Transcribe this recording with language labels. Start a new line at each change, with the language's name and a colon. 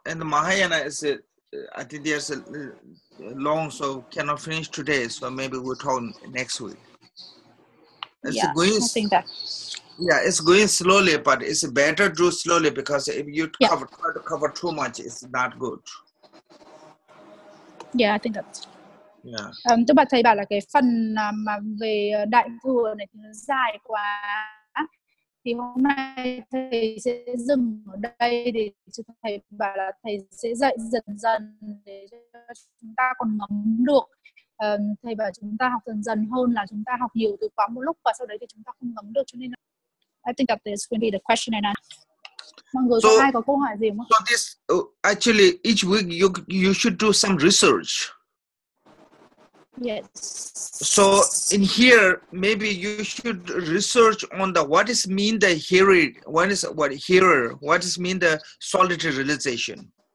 English: And the Mahayana is it, I think there's a long, so cannot finish today. So maybe we'll talk next week. It's going slowly, but it's better to do slowly because if you try to cover too much, it's not good. Yeah, I think that's. Yeah.
Vietnamese: Tức bà thầy bảo là cái phần mà về đại thừa này thì nó dài quá, thì hôm nay thầy sẽ dừng ở đây để cho thầy bảo là thầy sẽ dạy dần dần để cho chúng ta còn ngấm được. Thầy bảo chúng ta học dần dần hơn là chúng ta học nhiều từ quá một lúc và sau đấy thì chúng ta không ngấm được, cho nên
English: I think that this will be the question and answer.
Vietnamese: Mọi người có ai có câu hỏi gì không?
English: So this actually each week you should do some research. Yes. So in here maybe you should research on the what is mean the hearer, what is what hearer, what is mean the solitary realization.